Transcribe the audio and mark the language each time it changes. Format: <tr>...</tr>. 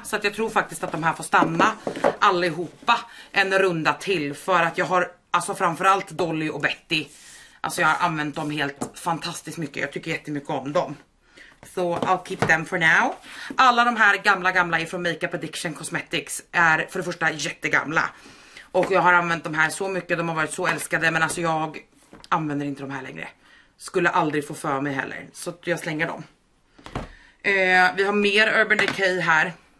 <sv>Så att jag tror faktiskt att de här får stanna allihopa en runda till. För att jag har alltså framförallt Dolly och Betty. Alltså jag har använt dem helt fantastiskt mycket. Jag tycker jättemycket om dem. Så</sv> <en>so I'll keep them for now.</en> <sv>Alla de här gamla gamla ifrån Makeup Addiction Cosmetics är för det första jättegamla. Och jag har använt de här så mycket, de har varit så älskade. Men alltså jag använder inte de här längre. Skulle aldrig få för mig heller. Så jag slänger dem. Vi har mer Urban Decay här.</sv>